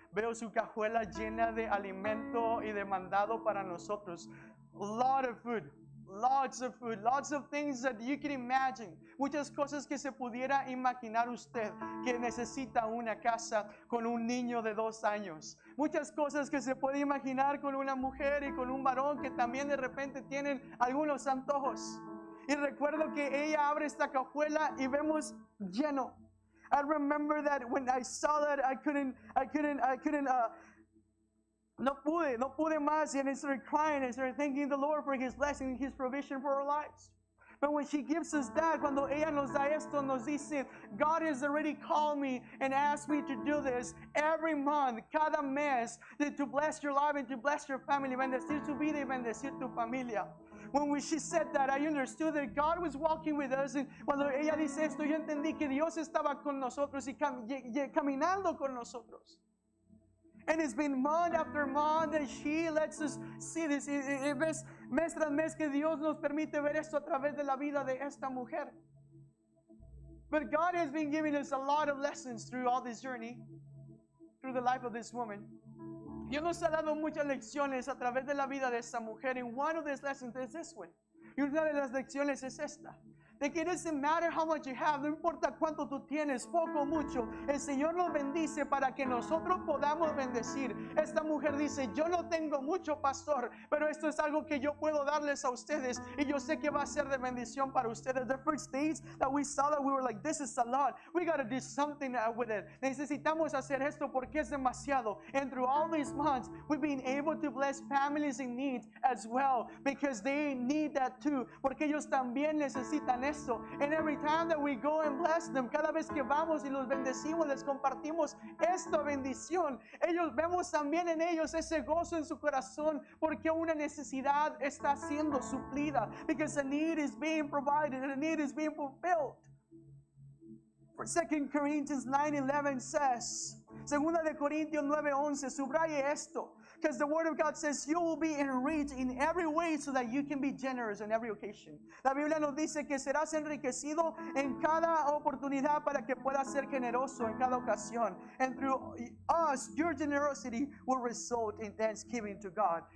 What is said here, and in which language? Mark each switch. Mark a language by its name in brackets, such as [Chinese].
[Spanish] Veo su cajuela llena de alimento y de mandado para nosotros. [English] A lot of food. Lots of food, lots of things that you can imagine. [Spanish] Muchas cosas que se pudiera imaginar usted que necesita una casa con un niño de 2 años. Muchas cosas que se puede imaginar con una mujer y con un varón que también de repente tienen algunos antojos. Y recuerdo que ella abre esta cajuela y vemos lleno. [English] I remember that when I saw that, I couldn't, [Spanish] no pude más. [English] And I started crying and started thanking the Lord for His blessing and His provision for our lives. But when she gives us that, [Spanish] cuando ella nos da esto, nos dice, [English] God has already called me and asked me to do this every month, [Spanish] cada mes, [English] to bless your life and to bless your family, [Spanish] bendecir tu vida y bendecir tu familia. [English] When she said that, I understood that God was walking with us. [Spanish] And cuando ella dice esto, yo entendí que Dios estaba con nosotros y caminando con nosotros. [English] And it's been month after month that she lets us see this. [Spanish] It's mes tras mes que Dios nos permite ver esto a través de la vida de esta mujer. [English] But God has been giving us a lot of lessons through all this journey, through the life of this woman. [Spanish] Dios nos ha dado muchas lecciones a través de la vida de esta mujer. [English] And one of these lessons is this one. [Spanish] Y una de las lecciones es esta. De que [English] it doesn't matter how much you have, [Spanish] no importa cuánto tú tienes, poco o mucho, el Señor nos bendice para que nosotros podamos bendecir. Esta mujer dice, yo no tengo mucho, pastor, pero esto es algo que yo puedo darles a ustedes y yo sé que va a ser de bendición para ustedes. [English] The first days that we saw that, we were like, this is a lot. We got to do something with it. [Spanish] Necesitamos hacer esto porque es demasiado. [English] And through all these months, we've been able to bless families in need as well because they need that too. [Spanish] Porque ellos también necesitan. [English] And every time that we go and bless them, [Spanish] cada vez que vamos y los bendecimos, les compartimos esta bendición, ellos vemos también en ellos ese gozo en su corazón porque una necesidad está siendo suplida. [English] Because a need is being provided, a need is being fulfilled. 2 Corinthians 9:11 says, [Spanish] Segunda de Corintios 9:11, subraye esto. [English] Because the word of God says you will be enriched in every way so that you can be generous on every occasion. [Spanish] La Biblia nos dice que serás enriquecido en cada oportunidad para que puedas ser generoso en cada ocasión. [English] And through us, your generosity will result in thanksgiving to God.